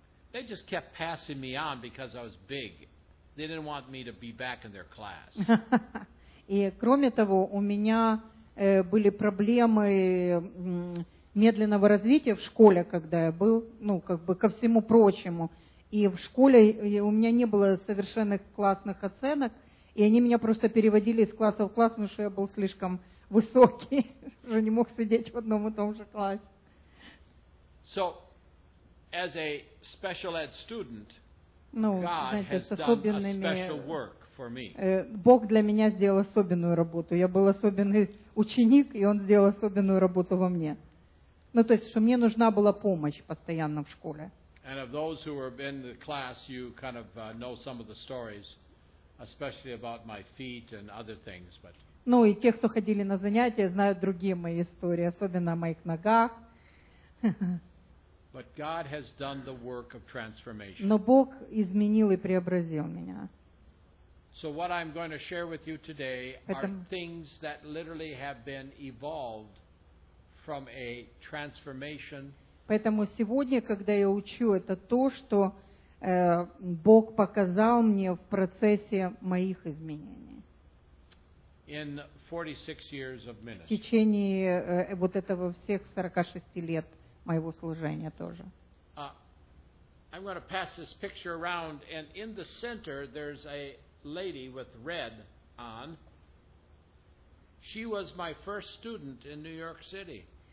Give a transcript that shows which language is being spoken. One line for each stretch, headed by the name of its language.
English: They just kept passing me on because I was big. They didn't want me to be back in their class.
Russian: И кроме того, у меня были проблемы медленного развития в школе, когда я был, ну, как бы ко всему прочему. И в школе у меня не было совершенных классных оценок, и они меня просто переводили из класса в класс, потому что я был слишком высокий, уже не мог сидеть в одном и том же классе.
English: So, as a special ed student,
Russian: ну,
English: God,
Russian: знаете,
English: has done a special work for me.
Russian: Бог для меня сделал особенную работу. Я был особенный ученик, и Он сделал особенную работу во мне. Ну, то есть, что мне нужна была помощь постоянно в школе.
English: And of those who were in the class, you kind of know some of the stories, especially about my feet and other things, but.
Russian: Ну, и те, кто ходили на занятия, знают другие мои истории, особенно о моих ногах.
English: But God has done the work of transformation.
Russian: Но Бог изменил и преобразил меня.
English: So what I'm going to share with you today are things that literally have been evolved from a transformation.
Russian: Поэтому сегодня, когда я учу, это то, что Бог показал мне в процессе моих изменений.
English: In 46 years of ministry.
Russian: В течение вот этого всех 46 лет моего служения тоже.
English: I'm going to pass this picture around, and in the center there's a lady with red on. She was my first student in New York City.